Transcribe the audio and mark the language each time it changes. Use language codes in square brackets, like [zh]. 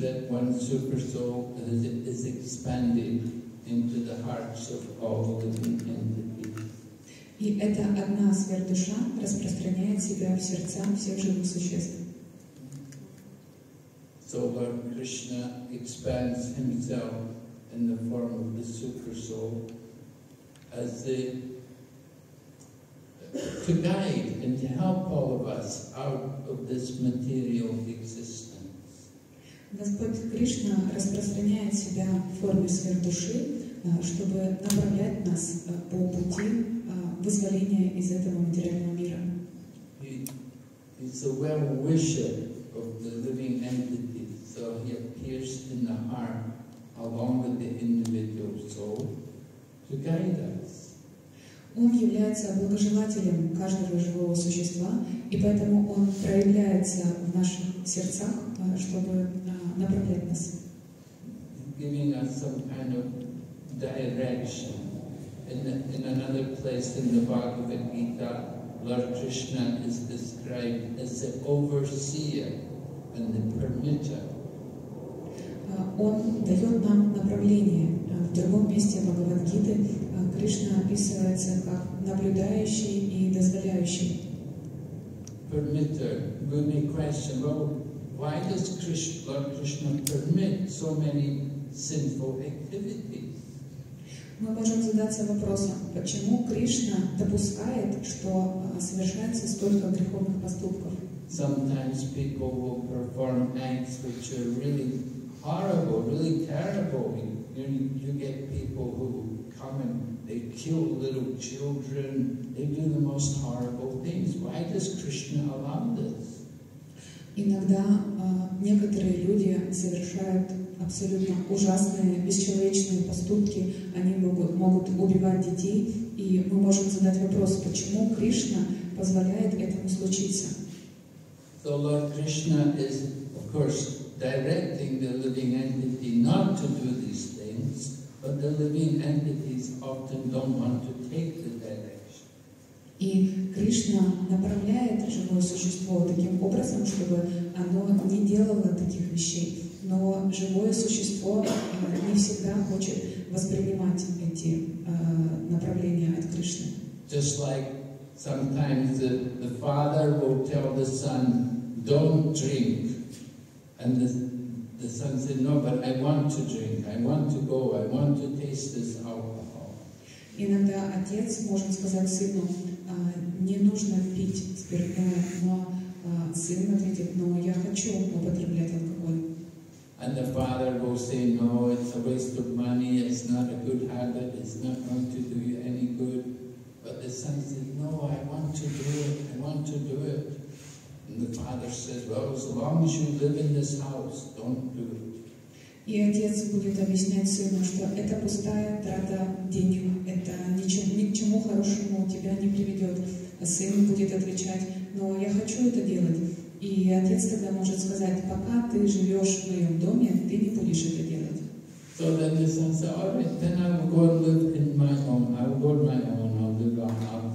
[en] That one super soul is expanded into the hearts of all living entities. [ru] И эта одна сверхдуша распространяет себя в сердца всех живых существ. [en] So Lord Krishna expands himself in the form of the super soul as the to guide and to help all of us out of this material existence. [ru] Господь Кришна распространяет себя в форме сверхдуши, чтобы направлять нас по пути вызволения из этого материального мира. [en] He's a well-wisher of the living entity, so he appears in the heart along with the individual soul to guide us. [ru] Он является благожелателем каждого живого существа, и поэтому он проявляется в наших сердцах, чтобы направлять нас. [en] Giving us some kind of direction. In another place in the Bhagavad Gita, Lord Krishna is described as the overseer and the permitter. [ru] Он дает нам направление. В другом месте Бхагавад Гиты Кришна описывается как наблюдающий и дозволяющий. [en] Permitter. We may question, well, why does Lord Krishna permit so many sinful activities? [ru] Мы можем задаться вопросом, почему Кришна допускает, что совершается столько греховных поступков? [en] Sometimes people will perform acts which are really horrible, really terrible. You get people who come and they kill little children, they do the most horrible things. Why does Krishna allow this? [ru] Иногда некоторые люди совершают абсолютно ужасные, бесчеловечные поступки. Они могут убивать детей. И мы можем задать вопрос, почему Кришна позволяет этому случиться? [en] So Lord Krishna is, of course, directing the living entity not to do these things, but the living entities often don't want to take the direction. [ru] И Кришна направляет живое существо таким образом, чтобы оно не делало таких вещей. Но живое существо не всегда хочет воспринимать эти направления от Кришны. [en] Just like sometimes the father will tell the son, don't drink. And the son said, no, but I want to drink. I want to go. I want to taste this alcohol. [ru] Иногда отец может сказать сыну, не нужно пить спирт. Но сын ответит, но я хочу употреблять алкоголь. [en] And the father will say, no, it's a waste of money, it's not a good habit, it's not going to do you any good. But the son says, no, I want to do it, I want to do it. And the father says, well, as long as you live in this house, don't do it. [ru] И отец будет объяснять сыну, что это пустая трата денег, это ни к чему хорошему тебя не приведет. А сын будет отвечать, но я хочу это делать. И отец тогда может сказать, пока ты живешь в моем доме, ты не будешь это делать. [en] So then the son said, all right, then I will go and live in my home. I will go to my home, I'll live on my